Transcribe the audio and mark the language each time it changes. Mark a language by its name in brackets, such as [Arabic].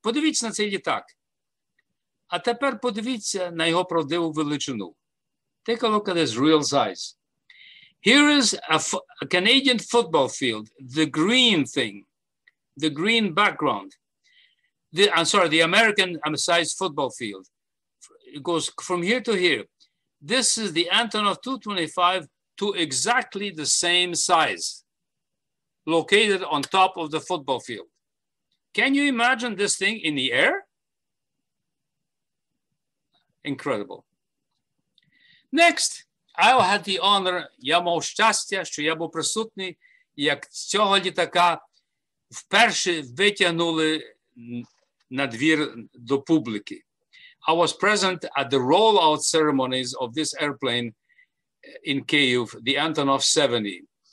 [Ukrainian] Подивіться на цей літак. А тепер подивіться на його правдиву величину. [English] Take a look at his real size. Here is a Canadian football field, the green thing, the green background. The American size football field. It goes from here to here. This is the Antonov 225 to exactly the same size, located on top of the football field. Can you imagine this thing in the air? Incredible. Next, I had the honor, [Ukrainian] я мав щастя, що я був присутній, як цього літака вперше витягнули на двір до публіки. [English] I was present at the rollout ceremonies of this airplane in Kyiv, the Antonov 70.